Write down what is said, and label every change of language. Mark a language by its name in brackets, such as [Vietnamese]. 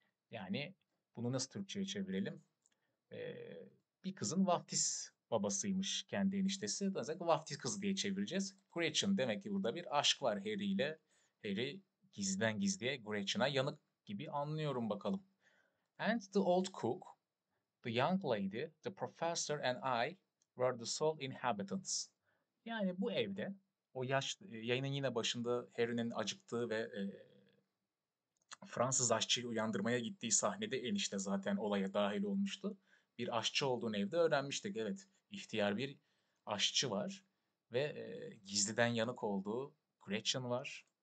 [Turkish] Yani bunu nasıl Türkçe'ye çevirelim? Bir kızın vaftiz babasıymış kendi eniştesi. Dolayısıyla vaftiz kızı diye çevireceğiz. Gretchen demek ki burada bir aşk var Harry ile. Harry gizden gizliye Gretchen'a yanık gibi anlıyorum bakalım. [English] And the old cook, the young lady, the professor and I were the sole inhabitants. [Turkish] Yani bu evde o yaş yayının yine başında Harry'nin acıktığı ve Fransız aşçıyı uyandırmaya gittiği sahnede enişte zaten olaya dahil olmuştu. Bir aşçı olduğunu evde öğrenmiştik. Evet, ihtiyar bir aşçı var ve gizliden yanık olduğu Gretchen var.